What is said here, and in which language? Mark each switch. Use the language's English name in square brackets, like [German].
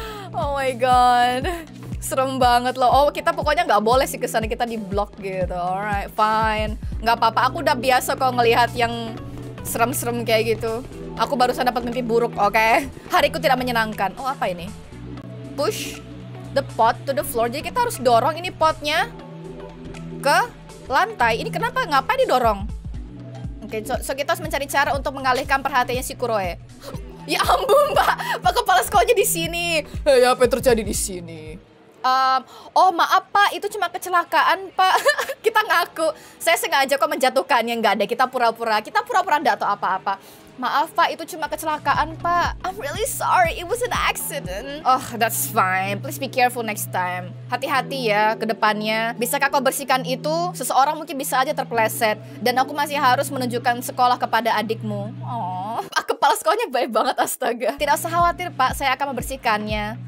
[English] Oh my god, [Indonesian] serem banget loh. Oh, kita pokoknya gak boleh sih kesana, kita di block gitu. Alright, fine. Gak apa-apa, aku udah biasa kok ngelihat yang serem-serem kayak gitu. Aku barusan dapat mimpi buruk, oke? Hariku tidak menyenangkan. Oh, apa ini? [English] Push the pot to the floor. [Indonesian] Jadi kita harus dorong ini potnya ke lantai. Ini kenapa? Ngapain didorong? Oke, okay, so kita harus mencari cara untuk mengalihkan perhatiannya si Kuroe. Ya ampun, Pak. Pak kepala sekolahnya di sini. Hei, apa yang terjadi di sini? Oh maaf Pak, itu cuma kecelakaan Pak. Kita ngaku. Saya sengaja kok menjatuhkannya, nggak ada. Kita pura-pura nggak tahu apa-apa. Maaf Pak, itu cuma kecelakaan Pak. [English] I'm really sorry, it was an accident. Oh, that's fine. Please be careful next time. [Indonesian] Hati-hati ya ke depannya. Bisakah kau bersihkan itu? Seseorang mungkin bisa aja terpleset. Dan aku masih harus menunjukkan sekolah kepada adikmu. Oh, Pak, kepala sekolahnya baik banget, astaga. Tidak usah khawatir Pak, saya akan membersihkannya.